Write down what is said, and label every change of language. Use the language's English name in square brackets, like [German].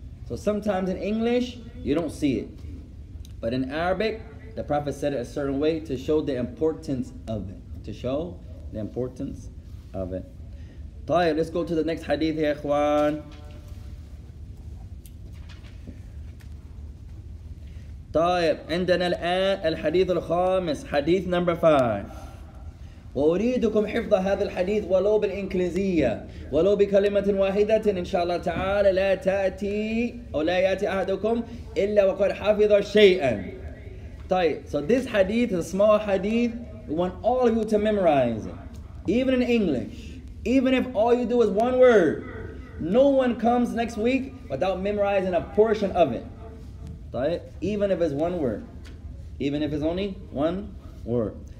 [English] So sometimes in English, you don't see it. But in Arabic, the Prophet said it a certain way to show the importance of it. To show the importance of it. Tayyip, let's go to the next hadith here, Ikhwan. [Arabic] Tayyip, عندنا الآن الحديث الخامس, [English] hadith number 5. [Arabic] وأريدكم حفظ هذا الحديث ولو بالإنكليزية ولو بكلمة واحدة إن شاء الله تعالى لا تأتي أو لا يأتي أحدكم إلا وقد حفظ شيئا. [English] طيب, so this hadith, a small hadith, we want all of you to memorize it. Even in English. Even if all you do is one word, no one comes next week without memorizing a portion of it. Even if it's one word. Even if it's only one word.